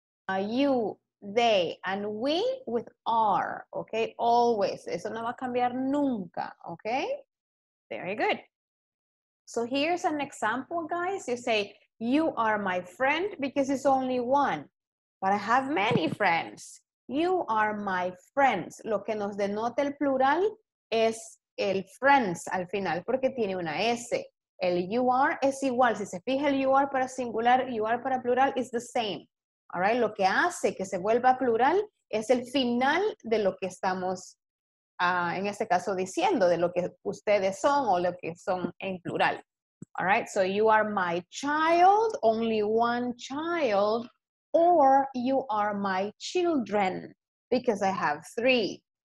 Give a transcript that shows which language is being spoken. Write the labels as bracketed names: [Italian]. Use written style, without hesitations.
[English] And you, they, and we with are, okay? [Spanish] Always. Eso no va a cambiar nunca, okay? [English] Very good. So here's an example, guys. You say, you are my friend because it's only one. But I have many friends. You are my friends. [Spanish] Lo que nos denota el plural es el friends al final, porque tiene una S. El you are es igual. Si se fija el you are para singular, you are para plural, [English] is the same. All right? [Spanish] Lo que hace que se vuelva plural es el final de lo que estamos, en este caso, diciendo, de lo que ustedes son o lo que son en plural. [English] All right? So you are my child, only one child. Or you are my children, because I have three.